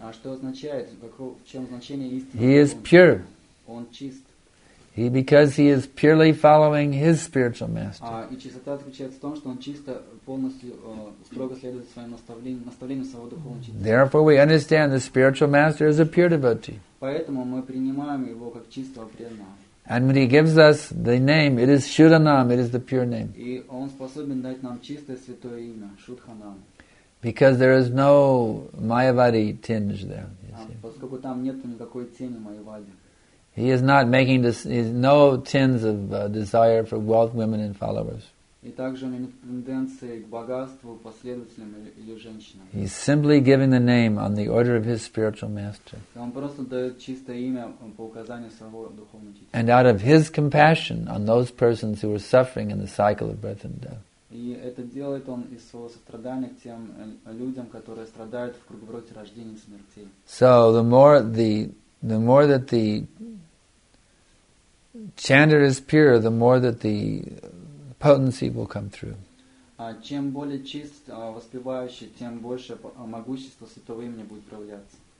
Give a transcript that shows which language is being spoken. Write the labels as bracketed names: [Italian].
[Russian] А что означает, в чем значение истинного? [English] He is pure. [Russian] Он чист. [English] He because he is purely following his spiritual master. [Russian] И чистота заключается в том, что он чисто полностью строго следует своим наставлениям своего духовного учителя. [English] Therefore, we understand the spiritual master is a pure devotee. [Russian] Поэтому мы принимаем его как чистого преданного. [English] And when he gives us the name, it is Shuddhanam, it is the pure name. [Russian] И он способен дать нам чистое святое имя, Шуддханам. [English] Because there is no Mayavadi tinge there. [Russian] Поскольку там нет никакой тени Mayavadi. [English] He is not making this, no tinge of desire for wealth, women and followers. [Russian] И также у него нет тенденции к богатству, последователям или женщинам. [English] He is simply giving the name on the order of his spiritual master. [Russian] Он просто дает чистое имя по указанию своего духовного учителя. [English] And out of his compassion on those persons who are suffering in the cycle of birth and death. [Russian] И это делает он из своего сострадания к тем людям, которые страдают в круговороте рождения и смерти. [English] So the more that the chanter is pure, the more that the potency will come through. [Russian] Чем более чист воспевающий, тем больше могущество святого имени будет проявляться.